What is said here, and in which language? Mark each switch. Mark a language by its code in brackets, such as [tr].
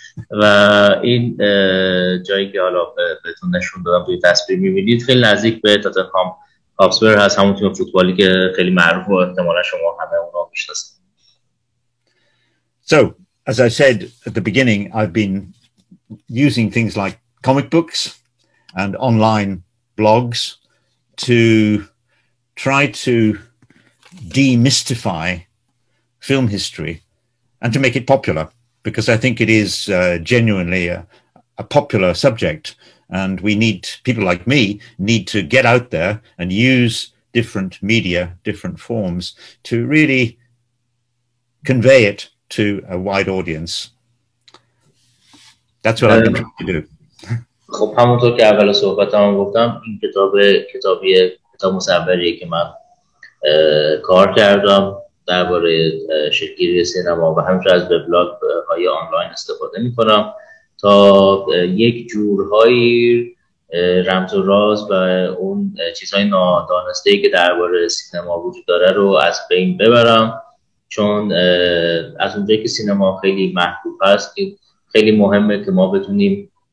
[fa] و این جایی که حالا بهتون نشون دادم توی تصویر می‌بینید خیلی نزدیک به تاتنهام هاتسپر هست، همون تیم فوتبالی که خیلی معروف و احتمالاً شما همه اونا می‌شناسید. [en] So, as I said at the beginning, I've been using things like comic books and online blogs to try to demystify film history and to make it popular. because I think it is genuinely a popular subject, and we need, people like me, need to get out there and use different media, different forms, to really convey it to a wide audience. That's what I've been trying to do. [fa] خب همونطور که اول صحبت هم گفتم این کتاب مصوریه که من کار کردم درباره شکل‌گیری سینما و همچنین از وبلاگ های آنلاین استفاده می‌کنم تا یک جورهای رمز و راز و اون چیزهای نادانسته‌ای که درباره سینما وجود داره رو از بین ببرم چون از اونجایی که سینما خیلی محبوب هست که خیلی مهمه که ما بتونیم